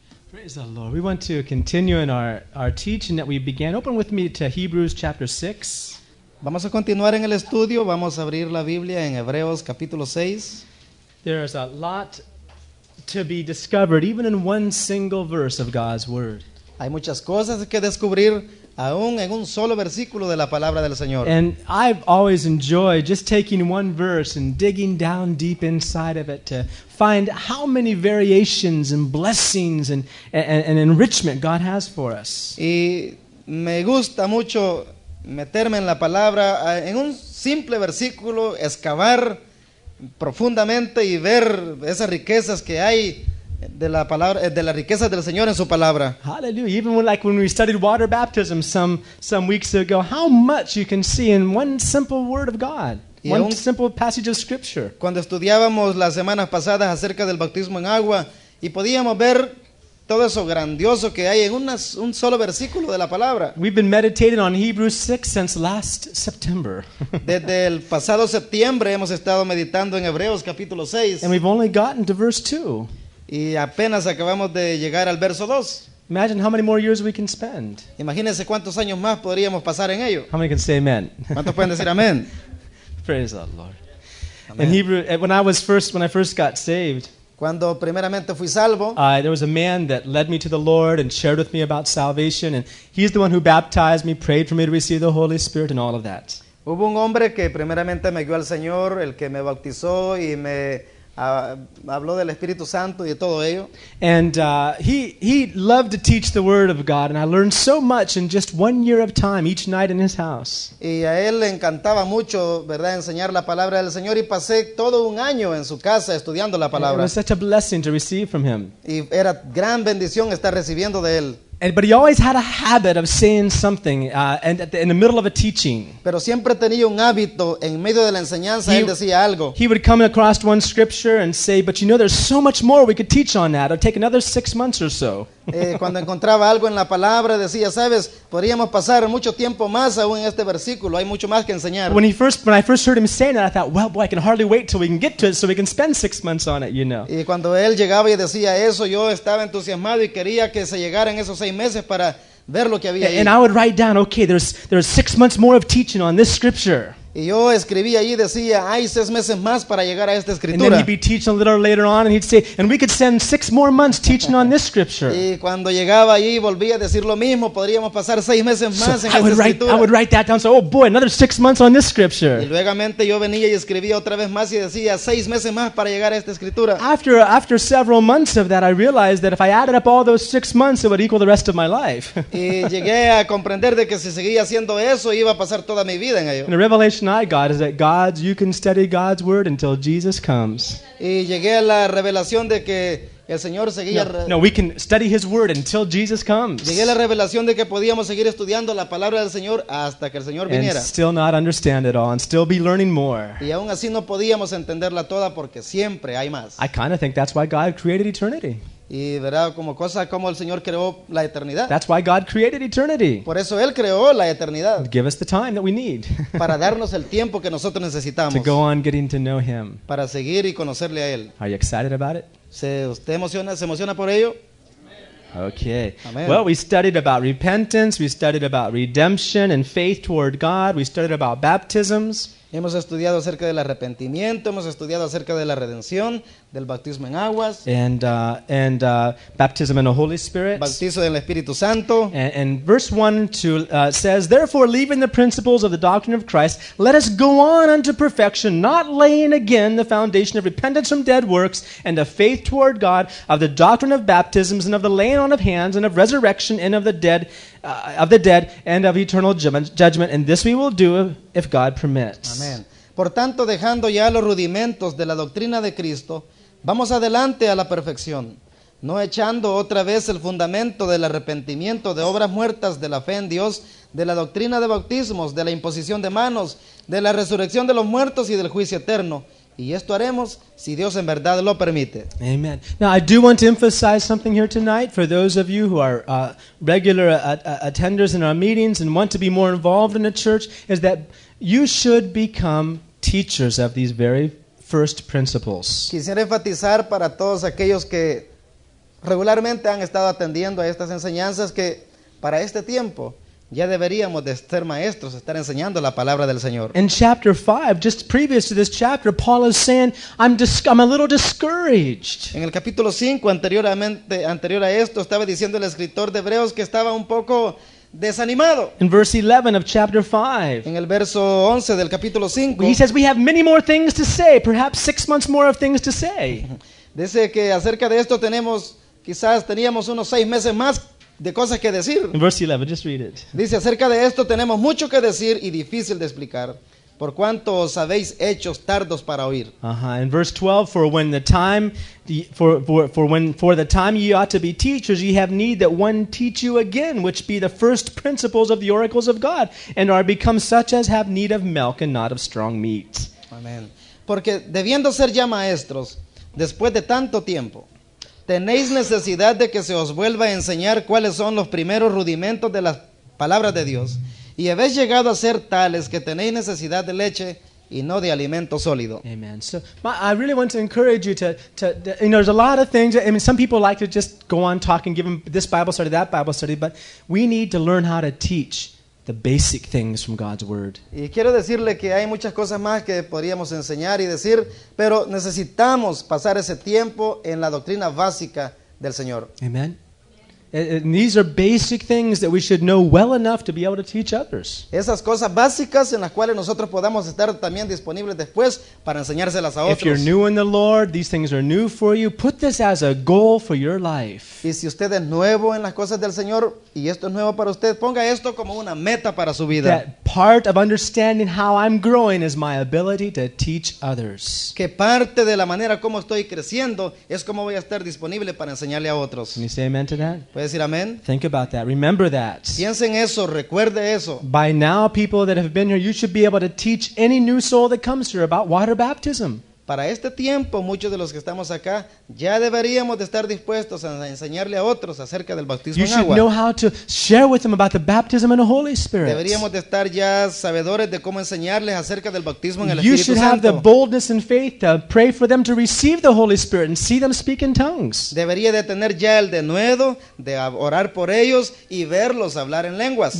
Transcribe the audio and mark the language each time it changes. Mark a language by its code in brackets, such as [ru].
[en] Praise the Lord. We want to continue in our teaching that we began. Open with me to Hebrews chapter 6. [es] Vamos a continuar en el estudio. Vamos a abrir la Biblia en Hebreos capítulo 6. [en] There's a lot to be discovered even in one single verse of God's word. [es] Hay muchas cosas que descubrir aún en un solo versículo de la palabra del Señor. [en] And I've always enjoyed just taking one verse and digging down deep inside of it to find how many variations and blessings and enrichment God has for us. [es] Y me gusta mucho meterme en la palabra en un simple versículo, excavar profundamente y ver esas riquezas que hay de la palabra, de la riqueza del Señor en su palabra. [en] Hallelujah. Even like when we studied water baptism some weeks ago, how much you can see in one simple word of God. One simple passage of scripture. [es] Cuando estudiábamos las semanas pasadas acerca del bautismo en agua y podíamos ver todo eso grandioso que hay en un solo versículo de la palabra. [en] We've been meditating on Hebrews 6 since last September. [es] Desde el pasado septiembre hemos estado meditando en Hebreos capítulo 6. [en] And we've only gotten to verse 2. [es] Y apenas acabamos de llegar al verso 2. [en] Imagine how many more years we can spend. [es] Imagínense cuántos años más podríamos pasar en ello. [en] How many can say amen? [es] ¿Cuántos pueden decir amén? [en] Praise the Lord. Amen. In Hebrew, when I first got saved, [es] cuando primeramente fui salvo, [en] there was a man that led me to the Lord and shared with me about salvation, and he's the one who baptized me, prayed for me to receive the Holy Spirit, and all of that. [es] Hubo un hombre que primeramente me guió al Señor, el que me bautizó y me habló del Espíritu Santo y de todo ello. [en] And he loved to teach the Word of God, and I learned so much in just 1 year of time each night in his house. [es] Y a él le encantaba mucho, verdad, enseñar la palabra del Señor, y pasé todo un año en su casa estudiando la palabra. [en] And it was such a blessing to receive from him. [es] Y era gran bendición estar recibiendo de él. [en] But he always had a habit of saying something in the middle of a teaching. [es] Pero siempre tenía un hábito en medio de la enseñanza, él decía algo. [en] He would come across one scripture and say, but you know, there's so much more we could teach on that. It'll take another 6 months or so. [es] Cuando encontraba algo en la palabra, decía, sabes, podríamos pasar mucho tiempo más aún en este versículo. Hay mucho más que enseñar. [en] When I first heard him saying that, I thought, well, boy, I can hardly wait till we can get to it so we can spend 6 months on it, you know. [es] Y cuando él llegaba y decía eso, yo estaba entusiasmado y quería que se llegaran esos 6 meses para ver lo que había ahí. [en] And I would write down, okay, there's 6 months more of teaching on this scripture. [es] Y yo escribí allí, decía, hay 6 meses más para llegar a esta escritura. [en] And then he'd be teaching a little later on, and he'd say, and we could spend 6 more months teaching on this scripture. [es] Y cuando llegaba allí, volvía a decir lo mismo, podríamos pasar 6 meses más en esta escritura. [en] I would write that down, so, oh boy, another 6 months on this scripture. [es] Y luego yo venía y escribía otra vez más y decía, 6 meses más para llegar a esta escritura. [en] After several months of that, I realized that if I added up all those 6 months, it would equal the rest of my life. [es] Y llegué a comprender de que si seguía haciendo eso, iba a pasar toda mi vida en ello. [en] In a revelation tonight, God, is that God's, you can study God's word until Jesus comes. [es] Y llegué a la revelación de que el Señor seguía. [en] No, we can study his word until Jesus comes. [es] Llegué a la revelación de que podíamos seguir estudiando la palabra del Señor hasta que el Señor viniera. [en] And still not understand it all and still be learning more. [es] Y aún así no podíamos entenderla toda porque siempre hay más. [en] I kind of think that's why God created eternity. [es] Y verá como cosa como el Señor creó la eternidad. [en] That's why God created eternity. [es] Por eso él creó la eternidad. [en] Give us the time that we need. [es] Para darnos el tiempo que nosotros necesitamos. [en] To go on getting to know him. [es] Para seguir y conocerle a él. [en] Are you excited about it? [es] ¿Se emociona por ello? [en] Okay. Amen. Well, we studied about repentance, we studied about redemption and faith toward God, we studied about baptisms. [es] Hemos estudiado acerca del arrepentimiento, hemos estudiado acerca de la redención, del bautismo en aguas. [en] And baptism in the Holy Spirit. [es] Bautizo del Espíritu Santo. [en] And verse 1 to, says, therefore, leaving the principles of the doctrine of Christ, let us go on unto perfection, not laying again the foundation of repentance from dead works and of faith toward God, of the doctrine of baptisms and of the laying on of hands and of resurrection and of the dead and of eternal judgment. And this we will do if God permits. [es] Amén. Por tanto, dejando ya los rudimentos de la doctrina de Cristo, vamos adelante a la perfección, no echando otra vez el fundamento del arrepentimiento de obras muertas, de la fe en Dios, de la doctrina de bautismos, de la imposición de manos, de la resurrección de los muertos y del juicio eterno. Y esto haremos si Dios en verdad lo permite. [en] Amen. Now I do want to emphasize something here tonight for those of you who are regular attenders in our meetings and want to be more involved in the church, is that you should become teachers of these very first principles. [es] Quisiera enfatizar para todos aquellos que regularmente han estado atendiendo a estas enseñanzas que para este tiempo ya deberíamos de ser maestros, estar enseñando la palabra del Señor. [en] In chapter 5, just previous to this chapter, Paul is saying, I'm a little discouraged. [es] En el capítulo 5, anterior a esto, estaba diciendo el escritor de Hebreos que estaba un poco desanimado. [en] In verse 11 of chapter 5. [es] En el verso 11 del capítulo 5. [en] He says, we have many more things to say, perhaps 6 months more of things to say. [es] Dice que acerca de esto tenemos, quizás teníamos unos 6 meses más de cosas que decir. [en] In verse 11, just read it. [es] Dice, acerca de esto tenemos mucho que decir y difícil de explicar, por cuanto os habéis hechos tardos para oír. [en] In verse 12, for the time ye ought to be teachers, ye have need that one teach you again, which be the first principles of the oracles of God, and are become such as have need of milk and not of strong meat. Amen. [es] Porque debiendo ser ya maestros, después de tanto tiempo, tenéis necesidad de que se os vuelva a enseñar cuáles son los primeros rudimentos de las palabras de Dios, y habéis llegado a ser tales que tenéis necesidad de leche y no de alimento sólido. Amen. [en] So, I really want to encourage you you know, there's a lot of things. I mean, some people like to just go on talking, give them this Bible study, that Bible study, but we need to learn how to teach the basic things from God's Word. [es] Y quiero decirle que hay muchas cosas más que podríamos enseñar y decir, pero necesitamos pasar ese tiempo en la doctrina básica del Señor. Amen. [en] And these are basic things that we should know well enough to be able to teach others. [es] Esas cosas básicas en las cuales nosotros podamos estar también disponibles después para enseñárselas a otros. [en] If you're new in the Lord, these things are new for you. Put this as a goal for your life. [es] Y si usted es nuevo en las cosas del Señor y esto es nuevo para usted, ponga esto como una meta para su vida. [en] That part of understanding how I'm growing is my ability to teach others. [es] Que parte de la manera como estoy creciendo es cómo voy a estar disponible para enseñarle a otros. [en] Can you say amen to that? [es] ¿Puedes decir amén? [en] Think about that. Remember that. [es] Piensa en eso, recuerde eso. [en] By now, people that have been here, you should be able to teach any new soul that comes here about water baptism. [es] Para este tiempo, muchos de los que estamos acá ya deberíamos de estar dispuestos a enseñarle a otros acerca del bautismo you en agua. [en] You should know how to share with them about the baptism in the Holy Spirit. [es] Deberíamos de estar ya sabedores de cómo enseñarles acerca del bautismo en el you Espíritu Santo. Have the boldness and faith to pray for them to receive the Holy Spirit and see them speak in tongues. Debería de tener ya el denuedo de orar por ellos y verlos hablar en lenguas.